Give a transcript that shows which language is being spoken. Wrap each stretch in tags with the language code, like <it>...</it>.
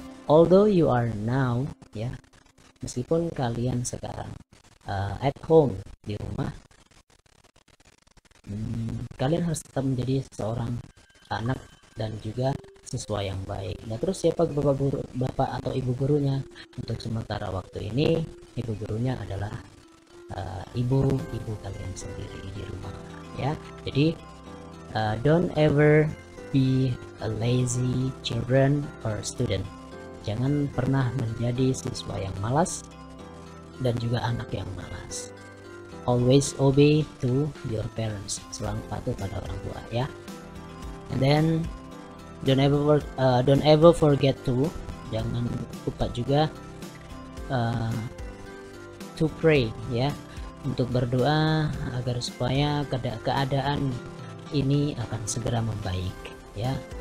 <en>Although you are now,</en> <id>ya, meskipun kalian sekarang</id> <en>at home</en> <id>di rumah, kalian harus tetap menjadi seorang anak dan juga siswa yang baik. Nah, terus siapa bapak guru, bapak atau ibu gurunya? Untuk sementara waktu ini, ibu gurunya adalah ibu kalian sendiri di rumah, ya.</id> <en>Jadi don't ever be a lazy children or student.</en> <id>Jangan pernah menjadi siswa yang malas dan juga anak yang malas.</id> <en>always obey to your parents.</en> <id>Selalu patuh pada orang tua, ya.</id> <en>And then don't ever forget to,</en> <id>jangan lupa juga</id> <en>to pray,</en> <id>ya, untuk berdoa agar supaya keadaan ini akan segera membaik, ya.</id>